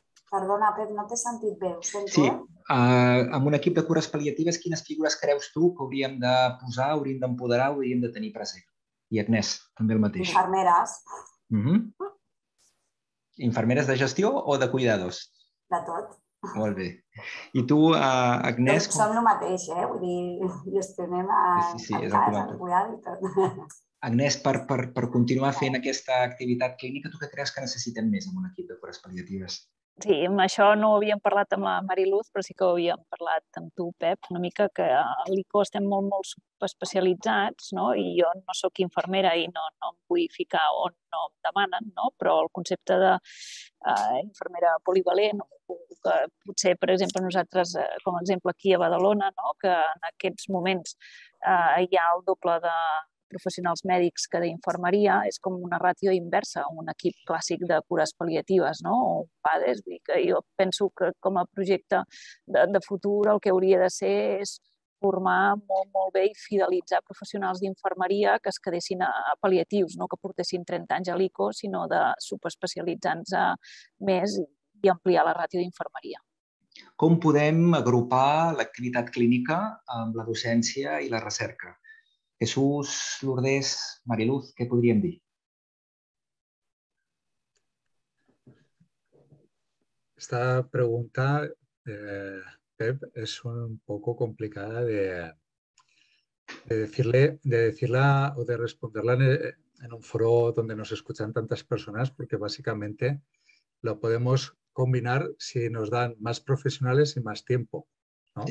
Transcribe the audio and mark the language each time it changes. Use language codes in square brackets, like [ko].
[ca] Perdona, Pep, no t'he sentit bé. Ho sento, sí, amb un equip de cures pal·liatives, quines figures creus tu que hauríem de posar, hauríem d'empoderar, hauríem de tenir present? I Agnès, també el mateix. Infermeres. Mm-hmm. Infermeres de gestió o de cuidados? De tot. Molt bé. I tu, Agnès... Som com... el mateix, eh? Vull dir, gestionem el cas, el cuidado i tot. Agnès, per continuar fent aquesta activitat clínica, tu què creus que necessitem més amb un equip de cures pal·liatives? Sí, amb això no ho havíem parlat amb la Mariluz, però sí que ho havíem parlat amb tu, Pep, una mica, que a l'ICO estem molt, molt especialitzats, no? I jo no sóc infermera i no em vull ficar on no em demanen, no? Però el concepte d'infermera polivalent, que potser, per exemple, nosaltres, com a exemple aquí a Badalona, no? Que en aquests moments hi ha el doble de professionals mèdics que d'infermeria, és com una ràtio inversa, un equip clàssic de cures pal·liatives, no? O PADES, vull dir que jo penso que com a projecte de futur el que hauria de ser és formar molt, molt bé i fidelitzar professionals d'infermeria que es quedessin a pal·liatius, no que portessin 30 anys a l'ICO, sinó de subespecialitzants a més i ampliar la ràtio d'infermeria. Com podem agrupar l'activitat clínica amb la docència i la recerca? Jesús, Lourdes, Mariluz, què podríem dir? [es] Esta pregunta, Pep, és un poco complicada de decirla o de responderla en un foro donde nos escuchan tantas personas, porque básicamente lo podemos combinar si nos dan más profesionales y más tiempo, ¿no?